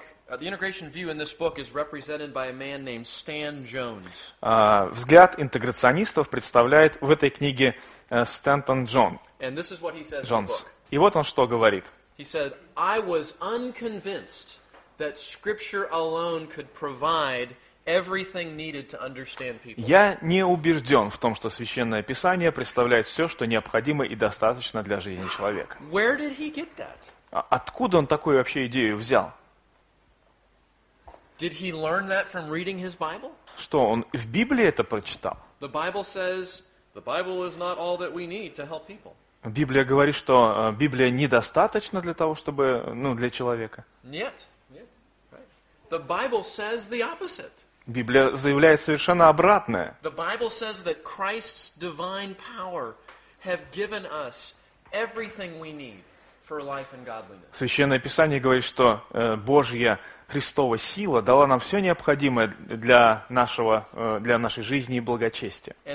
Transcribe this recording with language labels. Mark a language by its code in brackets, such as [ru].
[en] The integration view in this book is represented by a man named Stan Jones. [ru] Взгляд интеграционистов представляет в этой книге Стэнтон Джон. [en] And this is what he says Jones. In the book. [ru] И вот он что говорит. [en] He said, "I was unconvinced that Scripture alone could provide everything needed to understand people." [ru] Я не убежден в том, что Священное Писание представляет все, что необходимо и достаточно для жизни человека. [en] Where did he get that? [ru] Откуда он такую вообще идею взял? [en] Did he learn that from reading his Bible? [ru] Что, он в Библии это прочитал? [en] The Bible says the Bible is not all that we need to help people. [ru] Библия говорит, что Библия недостаточна для того, чтобы, ну, для человека. Нет. Нет. [en] Right. The Bible says the opposite. [ru] Библия заявляет совершенно обратное. [en] The Bible says that Christ's divine power have given us everything we need for life and godliness. [ru] Священное Писание говорит, что Божья Христова сила дала нам все необходимое для нашего, для нашей жизни и благочестия.